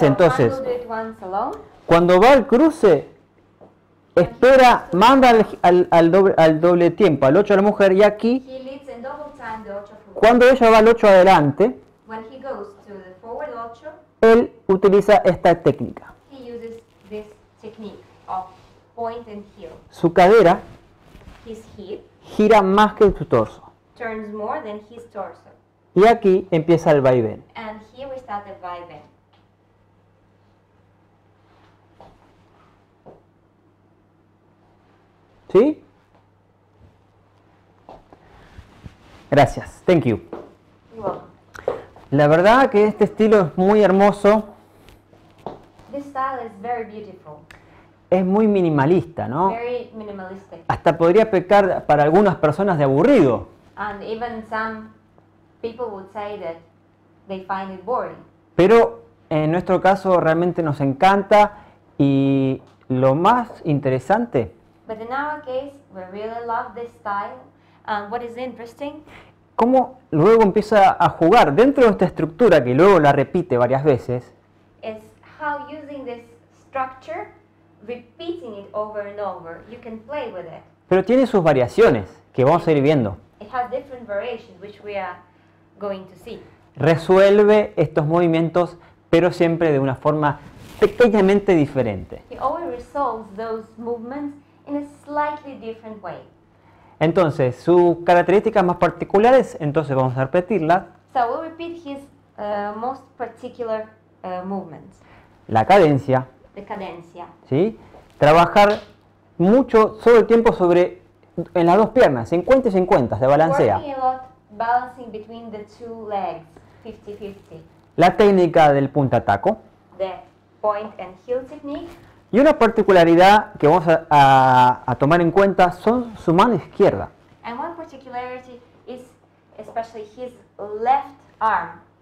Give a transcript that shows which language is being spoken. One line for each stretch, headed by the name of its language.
English: so
Spanish: entonces.
English: I'll do it once alone.
Spanish: Cuando va al cruce, espera, manda al doble tiempo, al 8 a la mujer, y aquí, cuando ella va al 8 adelante,
English: when he goes to the forward 8,
Spanish: él utiliza esta técnica.
English: He uses this technique of point and heel.
Spanish: Su cadera,
English: his hip,
Spanish: gira más que su torso.
English: Turns more than his torso.
Spanish: Y aquí empieza el vaivén.
English: And here we start the vaivén.
Spanish: ¿Sí? Gracias.
English: Thank you.
Spanish: La verdad que este estilo es muy hermoso.
English: This style is very beautiful.
Spanish: Es muy minimalista, ¿no?
English: Very minimalistic.
Spanish: Hasta podría pecar para algunas personas de aburrido.
English: And even some people would say that they find it boring.
Spanish: Pero en nuestro caso realmente nos encanta y lo más interesante.
English: But in our case, we really love this style. And what is interesting?
Spanish: ¿Cómo luego empieza a jugar dentro de esta estructura que luego la repite varias veces?
English: Is how using this structure, repeating it over and over, you can play with it.
Spanish: Pero tiene sus variaciones que vamos a ir viendo.
English: It has different variations which we are going to see.
Spanish: Resuelve estos movimientos, pero siempre de una forma pequeñamente diferente.
English: He always resolves those movements in a slightly different way.
Spanish: Entonces, sus características más particulares, entonces vamos a repetirlas.
English: So we'll repeat his most particular movements.
Spanish: La cadencia.
English: The cadencia.
Spanish: ¿Sí? Trabajar mucho sobre el tiempo sobre en las dos piernas, 50 y 50, se balancea.
English: Working a lot, balancing between the two legs, 50-50.
Spanish: La técnica del punta-taco.
English: The point and heel technique.
Spanish: Y una particularidad que vamos a tomar en cuenta son su mano izquierda.
English: And one particularity is especially his left arm.